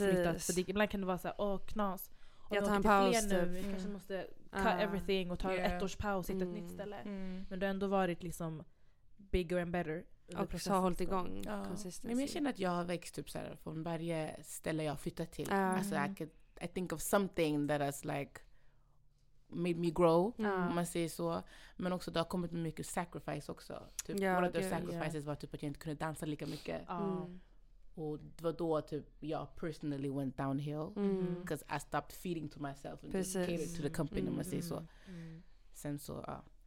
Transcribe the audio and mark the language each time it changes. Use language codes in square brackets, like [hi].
[sv] Och flyttat. Ibland kan det vara så här, knas. Och jag tar en paus. Nu. Vi kanske måste [en] cut everything [sv] och ta ett års paus och hitta ett nytt ställe. Mm. Men du har ändå varit liksom [en] bigger and better. [sv] Och så har hållit igång. Ja. Men jag känner att jag har växt upp så här, från varje ställe jag flyttat till. [en] Alltså, I think of something that has like made me grow. [sv] Om man säger så. Men också det har kommit med mycket sacrifice också. Typ, [en] one of those sacrifices [sv] var typ att jag inte kunde dansa lika mycket. Och det var då typ jag [en] personally went downhill. Because I stopped feeding to myself and just catered to the company, [sv] om man säger så. Sen så,